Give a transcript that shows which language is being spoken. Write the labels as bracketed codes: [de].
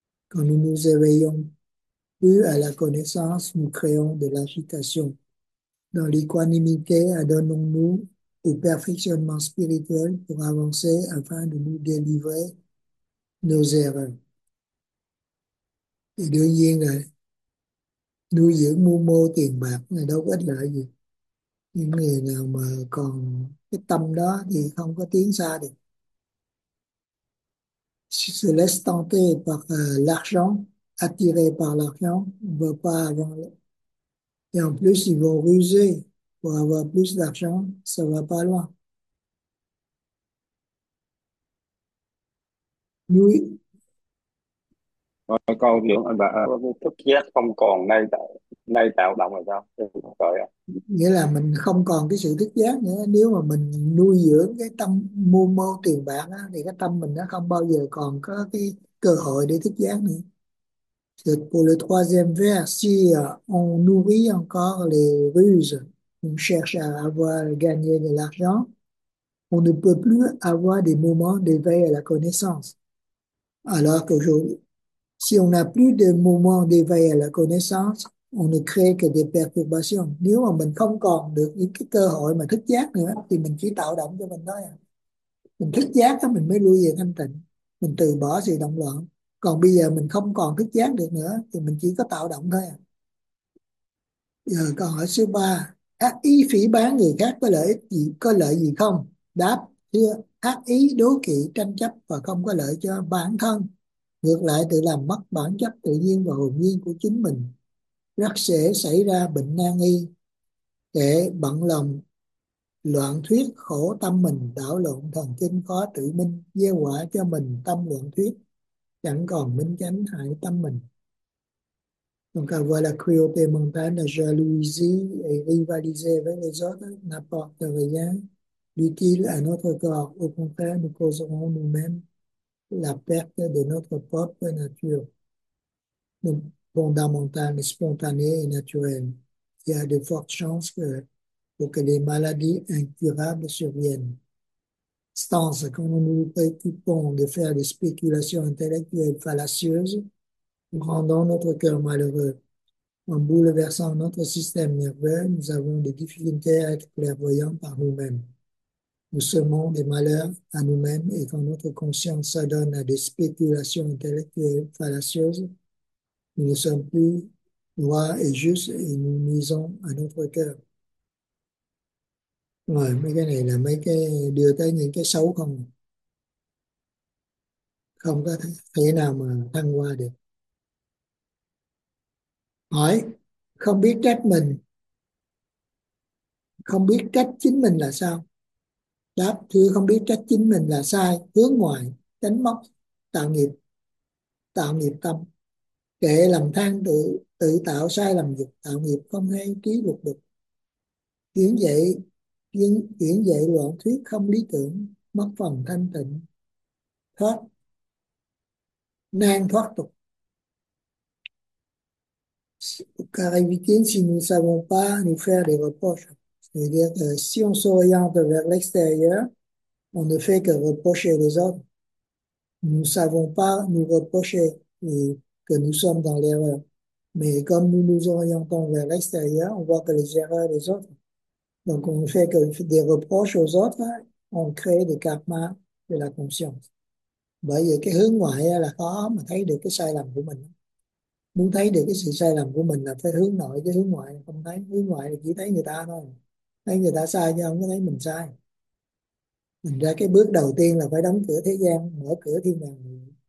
[fr] Quand nous nous éveillons plus à la connaissance, nous créons de l'agitation. Dans l'équanimité, adonnons-nous au perfectionnement spirituel pour avancer afin de nous délivrer nos erreurs. [vi] Đương nhiên rồi, nuôi dưỡng mưu mô tiền bạc này đâu có ích lợi gì. Những người nào mà còn cái tâm đó thì không có tiến xa được. [fr] Se laisse tenter par l'argent, attiré par l'argent, veut pas avoir. Et en plus, ils vont ruser pour avoir plus d'argent, ça va pas loin. Oui. [vi] Con hiểu anh bạn, thức giác không còn nay tạo, nay tạo động rồi sao? Trời ạ. Nghĩa là mình không còn cái sự thức giác nữa. Nếu mà mình nuôi dưỡng cái tâm mưu mô tiền bạc đó, thì cái tâm mình nó không bao giờ còn có cái cơ hội để thức giác nữa. [fr] C'est pour le troisième vers, si on nourrit encore les ruses, on cherche à avoir gagné de l'argent, on ne peut plus avoir des moments d'éveil à la connaissance. Alors qu'aujourd'hui, si on n'a plus de moments d'éveil à la connaissance, on ne crée que des perturbations. [vi] Nếu mà mình không còn được những cái cơ hội mà thức giác nữa thì mình chỉ tạo động cho mình thôi. Mình thức giác đó, mình mới lui về thanh tịnh, mình từ bỏ sự động loạn. Còn bây giờ mình không còn thức giác được nữa thì mình chỉ có tạo động thôi. Giờ câu hỏi số 3, ác ý phỉ báng người khác có lợi ích gì, có lợi gì không? Đáp: thưa, ác ý đố kỵ tranh chấp và không có lợi cho bản thân, ngược lại tự làm mất bản chất tự nhiên và hồn nhiên của chính mình, rất dễ xảy ra bệnh nan y, kẻ bận lòng loạn thuyết khổ tâm mình, đảo lộn thần kinh khó tự minh, gieo quả cho mình tâm loạn thuyết, chẳng còn minh chánh hại tâm mình. [fr] Donc voilà, cruauté mentale, la jalousie et rivaliser avec les autres n'apporte rien d'utile à notre corps. Au contraire, nous causerons nous-mêmes la perte de notre propre nature. Donc, fondamentale, spontanée et naturelle. Il y a de fortes chances pour que les maladies incurables surviennent. Stance, quand nous nous préoccupons de faire des spéculations intellectuelles fallacieuses, nous rendons notre cœur malheureux. En bouleversant notre système nerveux, nous avons des difficultés à être clairvoyants par nous-mêmes. Nous semons des malheurs à nous-mêmes et quand notre conscience s'adonne à des spéculations intellectuelles fallacieuses, nous ne sommes plus droits et justes et nous nuisons à notre cœur. [vi] Ouais, mấy cái này là mấy cái đưa tới những cái xấu không, không có thể nào mà thăng hoa được. Hỏi: không biết trách mình, không biết trách chính mình là sao? Đáp: thưa, không biết trách chính mình là sai, hướng ngoại, đánh mất, tạo nghiệp tâm, kệ làm than, tự tự tạo sai lầm dục, tạo nghiệp không hay, trí lục đục, kiến dậy chuyển chuyển dạy loạn thuyết không lý tưởng, mất phần thanh tịnh, thoát nan thoát tục. [fr] Car évidemment, si nous ne savons pas nous faire des reproches, c'est-à-dire que si on s'oriente vers l'extérieur, on ne fait que reprocher les autres. Nous ne savons pas nous reprocher et que nous sommes dans l'erreur. Mais comme nous nous orientons vers l'extérieur, on voit que les erreurs des autres. Donc, on ne fait que des reproches aux autres, on crée des karmas de la conscience. [vi] Bởi vì cái hướng ngoại là khó mà thấy được cái sai lầm của mình. Muốn thấy được cái sự sai lầm của mình là phải hướng nội, cái hướng ngoại không thấy. Hướng ngoại là chỉ thấy người ta thôi. Thấy người ta sai nhưng không có thấy mình sai. Mình ra cái bước đầu tiên là phải đóng cửa thế gian, mở cửa thiên đàng.